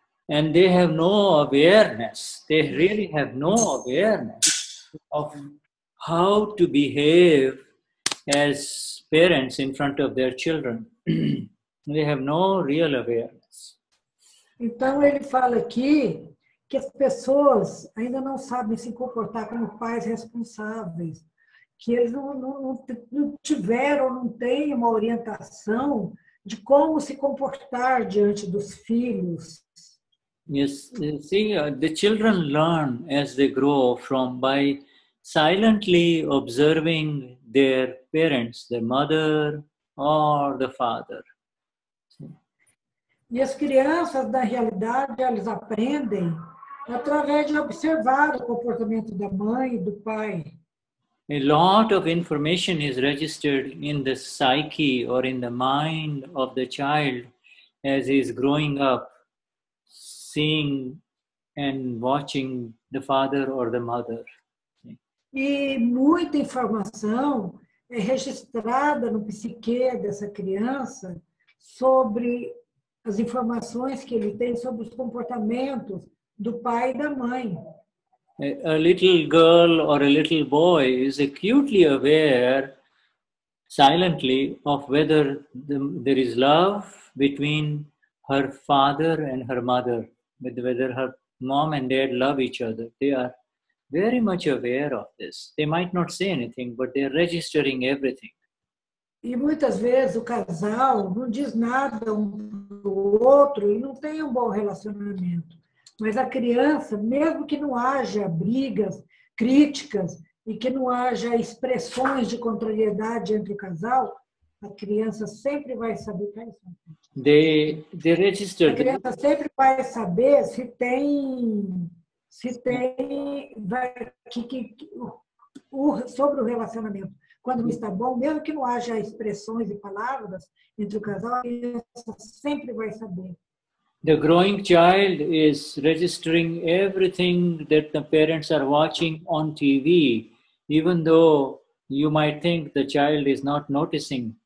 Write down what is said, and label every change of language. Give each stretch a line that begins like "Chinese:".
English: And they have no awareness. They really have no awareness of how to behave as parents in front of their children. They have no real awareness.
Portuguese: Então ele fala aqui que as pessoas ainda não sabem se comportar como pais responsáveis, que eles não tiveram, não têm uma orientação de como se comportar diante dos filhos.
English: Yes, see, the children learn as they grow from by silently observing their parents, their mother or the father.
Portuguese: E as crianças, na realidade, elas aprendem através de observar o comportamento da mãe e do pai.
English: A lot of information is registered in the psyche or in the mind of the child as he is growing up, seeing and watching the father or the mother.
Portuguese: E muita informação é registrada no psique dessa criança sobre as informações que ele tem sobre os comportamentos do pai e da mãe.
English: A little girl or a little boy is acutely aware, silently, of whether there is love between her father and her mother, whether her mom and dad love each other. They are very much aware of this. They might not say anything, but they are registering everything.
Portuguese: E muitas vezes o casal não diz nada um do outro e não tem um bom relacionamento. Mas a criança, mesmo que não haja brigas, críticas e que não haja expressões de contrariedade entre o casal, a criança sempre vai saber.
English: They register.
Portuguese: A criança sempre vai saber se tem, sobre o relacionamento. Quando não está bom, mesmo que não haja expressões e palavras entre o casal, a criança sempre vai saber.
English: The growing child is registering everything that the parents are watching on TV, even though you might think the child is not noticing.